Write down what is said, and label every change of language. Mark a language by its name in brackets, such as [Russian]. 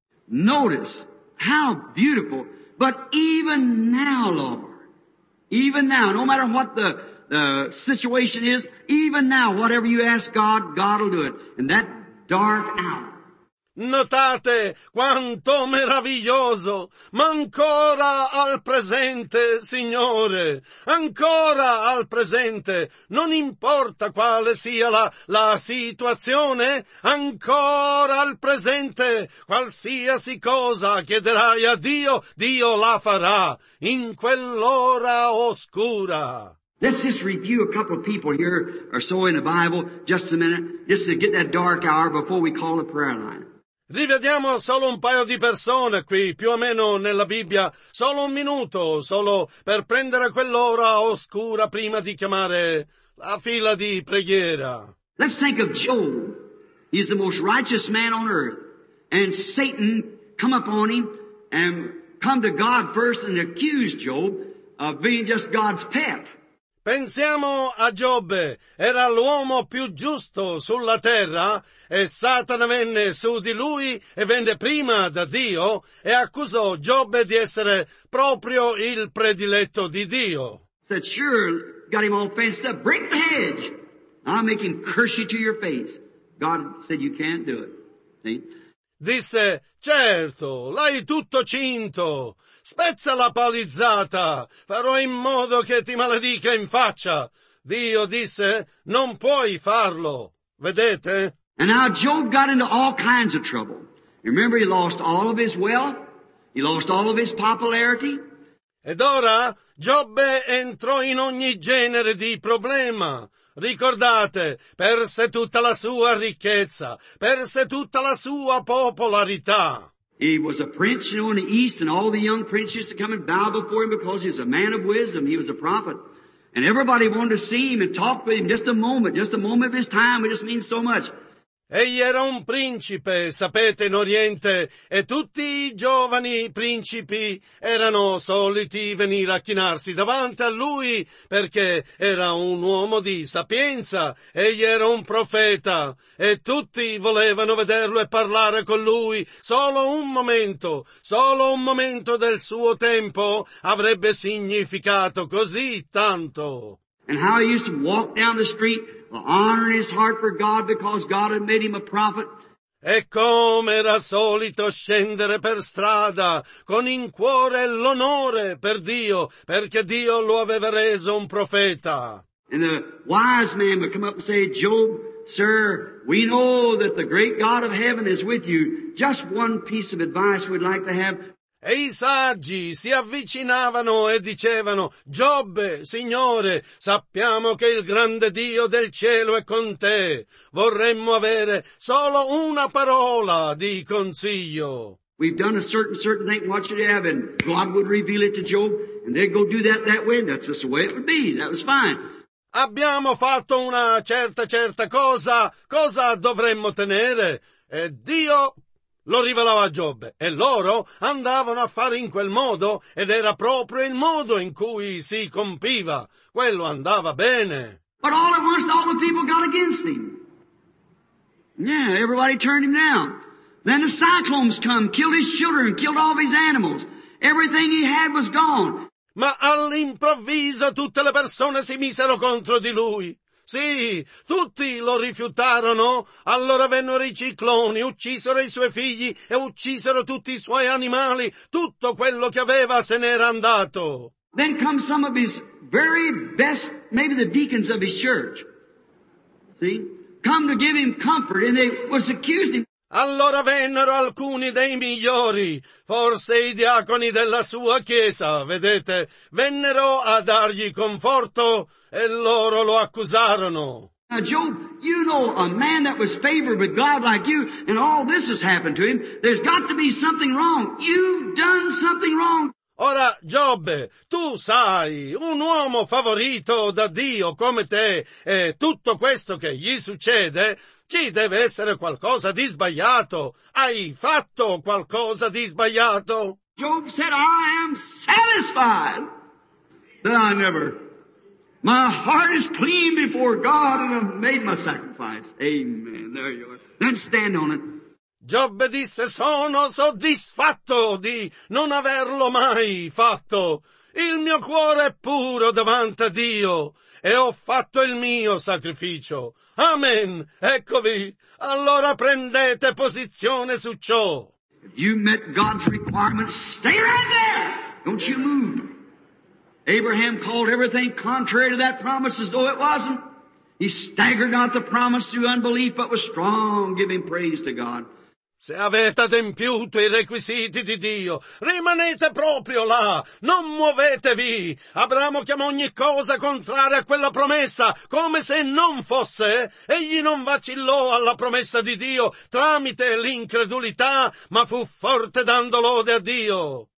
[English] Notice how beautiful. But even now, Lord, even now, no matter what the situation is, even now, whatever you ask God, God will do it. And that dark hour. [Italian] Notate quanto meraviglioso, ma ancora al presente, Signore, ancora al presente, non importa quale sia la situazione, ancora al presente, qualsiasi cosa chiederai a Dio, Dio la farà, in quell'ora oscura. [English] Let's just review a couple of people here, or so in the Bible, just a minute, just to get that dark hour before we call the prayer line. [Italian] Rivediamo solo un paio di persone qui, più o meno nella Bibbia, solo un minuto, solo per prendere quell'ora oscura prima di chiamare la fila di preghiera. [English] Let's think of Job. He's the most righteous man on earth. And Satan come upon him and come to God first and accused Job of being just God's pet. [Italian] Pensiamo a Giobbe, era l'uomo più giusto sulla terra e Satana venne su di lui e venne prima da Dio e accusò Giobbe di essere proprio il prediletto di Dio. [English] Said, sure, got him all fenced up, break the hedge, I'll make him curse you to your face. God said, you can't do it. See? [Italian] Disse, certo, l'hai tutto cinto. Spezza la palizzata, farò in modo che ti maledica in faccia. Dio disse, non puoi farlo. Vedete? [English] And now Job got into all kinds of trouble. Remember, he lost all of his wealth. He lost all of his popularity. [Italian] Ed ora, Giobbe entrò in ogni genere di problema. Ricordate, perse tutta la sua ricchezza, perse tutta la sua popolarità. [English] He was a prince, you know, in the east, and all the young princes used to come and bow before him because he was a man of wisdom. He was a prophet. And everybody wanted to see him and talk with him just a moment of his time. It just means so much. [Italian] Egli era un principe, sapete, in Oriente, e tutti i giovani principi erano soliti venire a chinarsi davanti a lui, perché era un uomo di sapienza, egli era un profeta, e tutti volevano vederlo e parlare con lui. Solo un momento del suo tempo avrebbe significato così tanto. [English] And how he used to walk down the street, honor his heart for God because God had made him a prophet. [Italian] E come era solito scendere per strada con in cuore l'onore per Dio, perché Dio lo aveva reso un profeta. [English] And the wise man would come up and say, Job, sir, we know that the great God of heaven is with you. Just one piece of advice we'd like to have. [Italian] E i saggi si avvicinavano e dicevano, Giobbe, Signore, sappiamo che il grande Dio del cielo è con te. Vorremmo avere solo una parola di consiglio. [English] We've done a certain thing, what should have, and God would reveal it to Job, and they'd go do that way, and that's just the way it would be, that was fine. [Italian] Abbiamo fatto una certa cosa, cosa dovremmo tenere? E Dio lo rivelava a Giobbe, e loro andavano a fare in quel modo, ed era proprio il modo in cui si compiva. Quello andava bene. [English] But all at once all the people got against him. Yeah, everybody turned him down. Then the cyclones come, killed his children, killed all of his animals. Everything he had was gone. [Italian] Ma all'improvviso tutte le persone si misero contro di lui. Sì, tutti lo rifiutarono, allora vennero i cicloni, uccisero i suoi figli e uccisero tutti i suoi animali, tutto quello che aveva se n'era andato. [English] Then come some of his very best, maybe the deacons of his church, see, come to give him comfort, and they was accused him. [Italian] Allora vennero alcuni dei migliori, forse i diaconi della sua chiesa, vedete, vennero a dargli conforto e loro lo accusarono. [English] Now Job, you know a man that was favored with God like you, and all this has happened to him, there's got to be something wrong. You've done something wrong. [Italian] Ora, Giobbe, tu sai, un uomo favorito da Dio come te, e tutto questo che gli succede, ci deve essere qualcosa di sbagliato. Hai fatto qualcosa di sbagliato? [English] Job said, I am satisfied that I never, my heart is clean before God and I've made my sacrifice. Amen, there you are. Then stand on it. [Italian] Giobbe disse, sono soddisfatto di non averlo mai fatto. Il mio cuore è puro davanti a Dio e ho fatto il mio sacrificio. Amen. Eccovi. Allora prendete posizione su ciò. [English] If you met God's requirements, stay right there. Don't you move. Abraham called everything contrary to that promise as though it wasn't. He staggered not the promise through unbelief, but was strong, giving praise to God. [Italian] Se avete adempiuto i requisiti di Dio, rimanete proprio là, non muovetevi. Abramo chiamò ogni cosa contraria a quella promessa, come se non fosse. Egli non vacillò alla promessa di Dio tramite l'incredulità, ma fu forte dando lode a Dio.